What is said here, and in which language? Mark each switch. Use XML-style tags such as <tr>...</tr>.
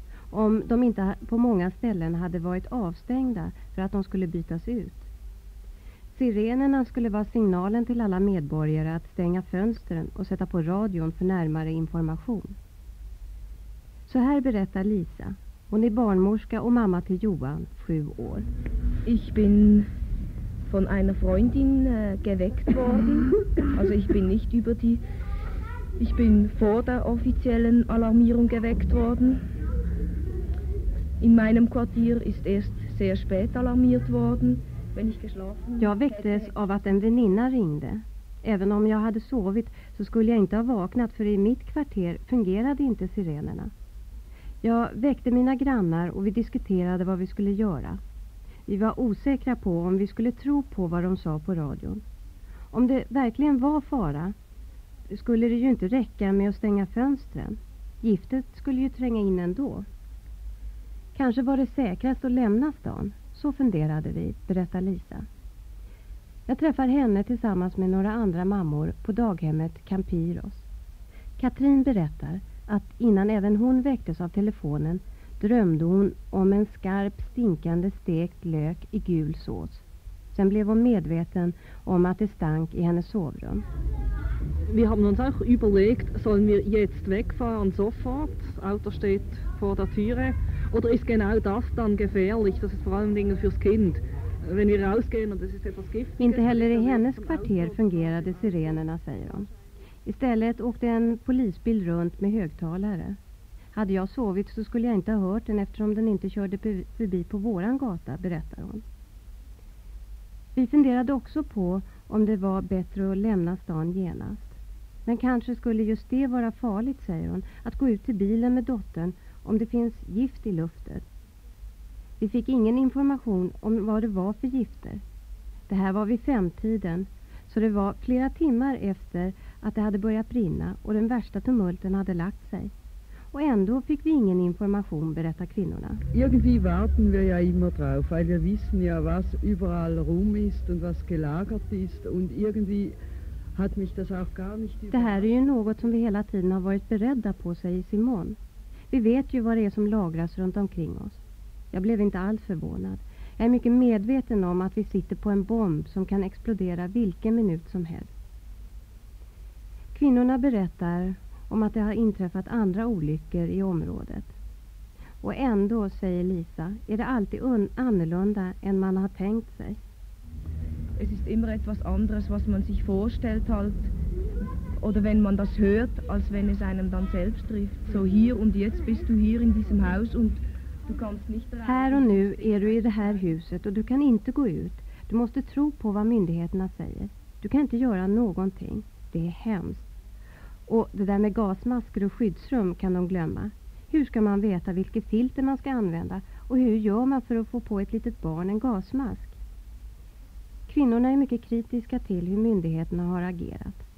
<sv>Om de inte på många ställen hade varit avstängda för att de skulle bytas ut. Sirenerna skulle vara signalen till alla medborgare att stänga fönstren och sätta på radion för närmare information. Så här berättar Lisa. Hon är barnmorska och mamma till Johan, 7 år.</sv> <de>Ich bin von einer Freundin geweckt worden. Also ich bin nicht über die ich bin vor der offiziellen Alarmierung geweckt worden. In meinem Quartier ist erst sehr spät alarmiert worden, wenn ich geschlafen.</de> <sv>Jag väcktes av att en väninna ringde. Även om jag hade sovit så skulle jag inte ha vaknat, för i mitt kvarter fungerade inte sirenerna. Jag väckte mina grannar och vi diskuterade vad vi skulle göra. Vi var osäkra på om vi skulle tro på vad de sa på radion. Om det verkligen var fara skulle det ju inte räcka med att stänga fönstren. Giftet skulle ju tränga in ändå. Kanske var det säkrast att lämna stan. Så funderade vi, berättar Lisa. Jag träffar henne tillsammans med några andra mammor på daghemmet Campiros. Katrin berättar att innan även hon väcktes av telefonen drömde hon om en skarp stinkande stekt lök i gul sås. Sen blev hon medveten om att det stank i hennes sovrum. Vi har</sv> <de>uns auch überlegt, sollen wir jetzt wegfahren sofort? Auto steht vor der Türe. Oder ist genau das dann gefährlich? Das ist vor allen Dingen fürs Kind. Wenn wir rausgehen und es ist etwas giftig.</de> <sv>Inte heller i hennes kvarter fungerade sirenerna, säger hon. Istället åkte en polisbil runt med högtalare. Hade jag sovit så skulle jag inte ha hört den, eftersom den inte körde förbi på våran gata, berättar hon. Vi funderade också på om det var bättre att lämna stan genast. Men kanske skulle just det vara farligt, säger hon, att gå ut till bilen med dottern om det finns gift i luften. Vi fick ingen information om vad det var för gifter. Det här var vid 5-tiden, så det var flera timmar efter att det hade börjat brinna och den värsta tumulten hade lagt sig. Och ändå fick vi ingen information, berättar kvinnorna.</sv> <de>Irgendwie warten wir ja immer drauf, weil wir wissen ja was überall rum ist und was gelagert ist und irgendwie hat mich das auch gar nicht.</de> <sv>Det här är ju något som vi hela tiden har varit beredda på, säger Simon. Vi vet ju vad det är som lagras runt omkring oss. Jag blev inte alls förvånad. Jag är mycket medveten om att vi sitter på en bomb som kan explodera vilken minut som helst. Kvinnorna berättar om att det har inträffat andra olyckor i området. Och ändå, säger Lisa, är det alltid annorlunda än man har tänkt sig.</sv> <de>Es ist immer etwas anderes, was man sich vorstellt halt oder wenn man das hört, als wenn es einem dann selbst trifft. So hier und jetzt bist du hier in diesem Haus und du kannst nicht raus.</de> <sv>Här och nu är du i det här huset och du kan inte gå ut. Du måste tro på vad myndigheterna säger. Du kan inte göra någonting. Det är hemskt. Och det där med gasmasker och skyddsrum kan de glömma. Hur ska man veta vilket filter man ska använda? Och hur gör man för att få på ett litet barn en gasmask? Kvinnorna är mycket kritiska till hur myndigheterna har agerat.</sv>